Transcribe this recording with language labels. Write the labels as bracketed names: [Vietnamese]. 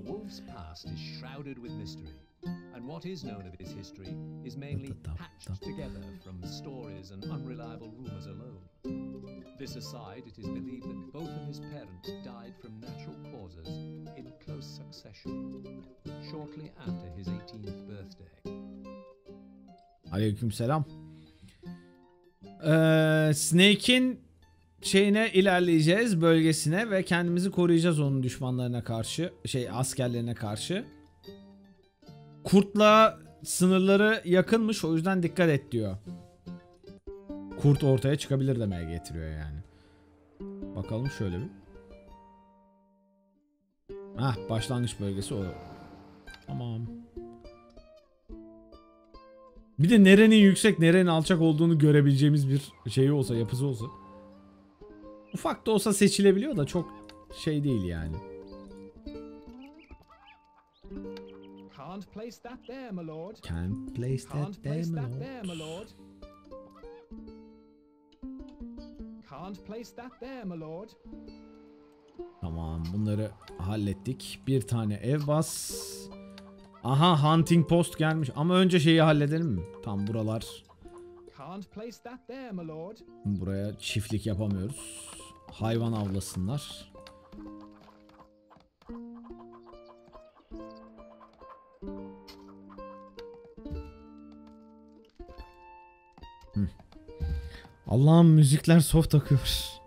[English] Wolf's past is shrouded with mystery and what is known of its history is mainly patched together from stories and unreliable rumors alone. This aside, it is believed that both of his parents died from natural causes in close succession shortly after his 18th birthday. [Turkish] Aleykümselam. Snake'in şeyine ilerleyeceğiz, bölgesine ve kendimizi koruyacağız onun düşmanlarına karşı, şey askerlerine karşı. Kurtla sınırları yakınmış, o yüzden dikkat et diyor. Kurt ortaya çıkabilir demeye getiriyor yani. Bakalım şöyle bir. Hah, başlangıç bölgesi o. Tamam. Bir de nerenin yüksek, nerenin alçak olduğunu görebileceğimiz bir şey olsa, yapısı olsa. Ufak da olsa seçilebiliyor da çok şey değil yani. [English] Can't place that there, my lord. Can't place that there, my lord. Can't place that there, my lord. [Turkish] Tamam, bunları hallettik. Bir tane ev bas. Aha hunting post gelmiş ama önce şeyi halledelim mi? Tam buralar. [English] Can't place that there, my lord. [Turkish] Buraya çiftlik yapamıyoruz. Hayvan avlasınlar. Allah'ım müzikler soft akıyor.